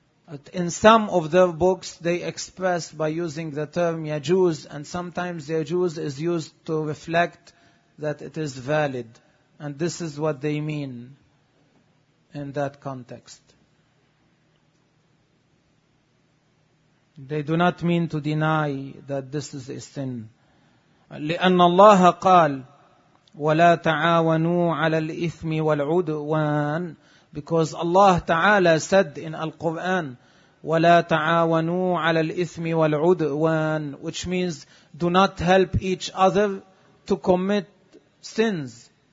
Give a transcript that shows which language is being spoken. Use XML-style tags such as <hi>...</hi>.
<en>But in some of their books, they express by using the term yajuz, and sometimes yajuz is used to reflect that it is valid. And this is what they mean in that context. They do not mean to deny that this is a sin.</en> <ar>لِأَنَّ اللَّهَ قَالَ وَلَا تَعَاوَنُوا عَلَى الْإِثْمِ وَالْعُدْوَانِ.</ar> <en>Because Allah Ta'ala said in Al-Quran,</en> <ar>وَلَا تَعَاوَنُوا عَلَى الْإِثْمِ وَالْعُدْوَانِ,</ar> <en>which means do not help each other to commit sins.</en>